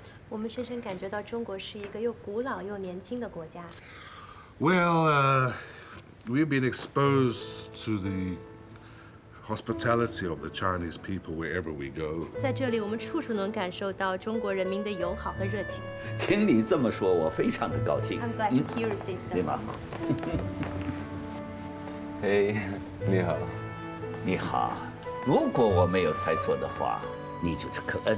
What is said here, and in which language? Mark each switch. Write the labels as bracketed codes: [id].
[zh] 我们深深感觉到中国是一个又古老又年轻的国家。 [en] Well, we've been exposed to the hospitality of the Chinese people wherever we go. [zh] 在这里，我们处处能感受到中国人民的友好和热情。听你这么说，我非常的高兴。 [en] I'm glad to hear you say so. [zh] 对吗？ hey, 你好。你好。如果我没有猜错的话，你就是科恩。